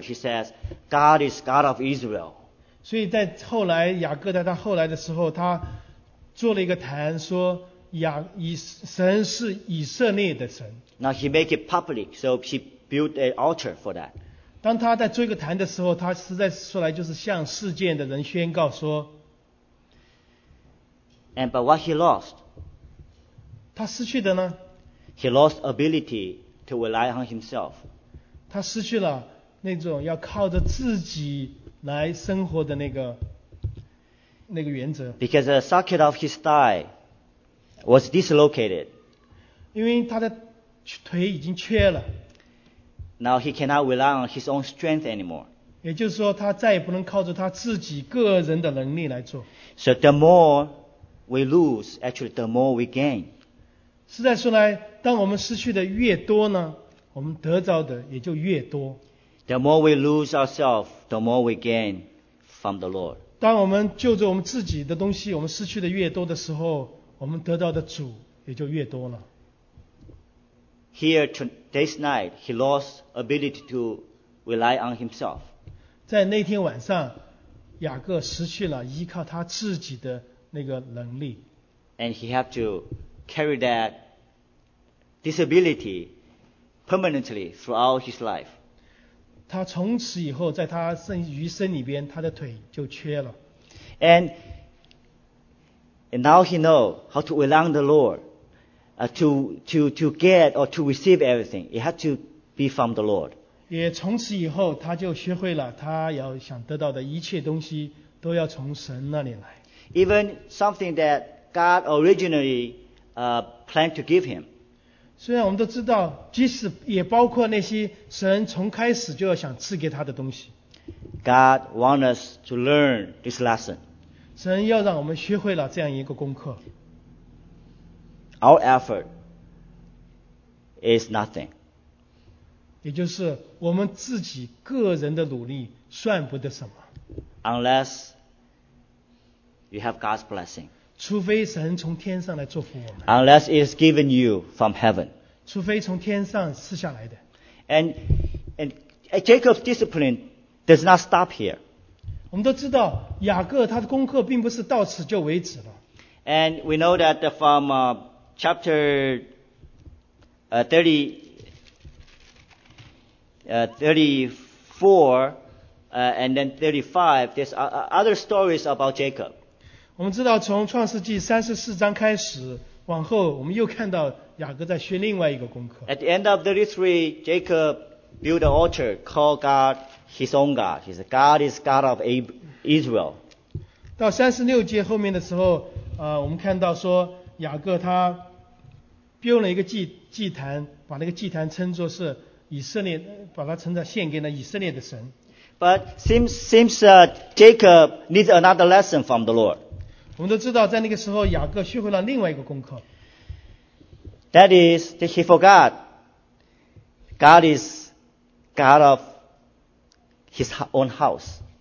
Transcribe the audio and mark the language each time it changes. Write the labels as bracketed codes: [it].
[en] He says God is God of Israel. [zh] 所以在后来雅各在他后来的时候，他做了一个坛，说。神是以色列的神。 [en] Now he make it public, so he built an altar for that. [zh] 当他在做一个坛的时候，他实在说来就是向世界的人宣告说。 [en] And but what he lost? [zh] 他失去的呢？ [en] He lost ability to rely on himself. [zh] 他失去了那种要靠着自己来生活的那个原则。 [en] Because the socket of his thigh was dislocated. [zh] 因为他的腿已经缺了。 [en] Now he cannot rely on his own strength anymore. [zh] 也就是说他再也不能靠着他自己个人的能力来做。 [en] So the more we lose, actually the more we gain. [zh] 实在说来，当我们失去的越多呢，我们得到的也就越多。 [en] The more we lose ourselves, the more we gain from the Lord. [zh] 当我们就着我们自己的东西，我们失去的越多的时候，我们得到的主也就越多了。 [en] Here today's night, he lost ability to rely on himself. [zh] 在那天晚上，雅各失去了依靠他自己的那个能力。 [en] And he had to carry that disability permanently throughout his life. [zh] 他从此以后在他余生里边他的腿就缺了。 [en] And now he knows how to rely on the Lord、to get or to receive everything. It had to be from the Lord. [zh] 也从此以后他就学会了他要想得到的一切东西都要从神那里来。 [en] Even something that God originally、planned to give him. [zh] 虽然我们都知道，即使也包括那些神从开始就要想赐给他的东西。 [en] God wants us to learn this lesson. [zh] 神要让我们学会了这样一个功课。 [en] Our effort is nothing. [zh] 也就是我们自己个人的努力算不得什么。 [en] Unless you have God's blessing. [zh] 除非神从天上来祝福我们。 [en] Unless it is given you from heaven. [zh] 除非从天上赐下来的。 [en] And Jacob's discipline does not stop here. [zh] 我们都知道雅各他的功课并不是到此就为止了。 [en] And we know that from chapter 34 and then 35, there's other stories about Jacob. [zh] 我们知道从创世纪三十四章开始往后我们又看到雅各在学另外一个功课。 [en] At the end of 33, Jacob built an altar called God his own God. He said, God is God of Israel. [zh] 到三十六节后面的时候、我们看到说雅各他 build 了一个 祭坛，把那个祭坛称作是以色列，把它称作献给了以色列的神。 [en] But seems Jacob needs another lesson from the Lord. [zh] 我们都知道在那个时候雅各学会了另外一个功课。 [en] That is, that he forgot God is God of his own house.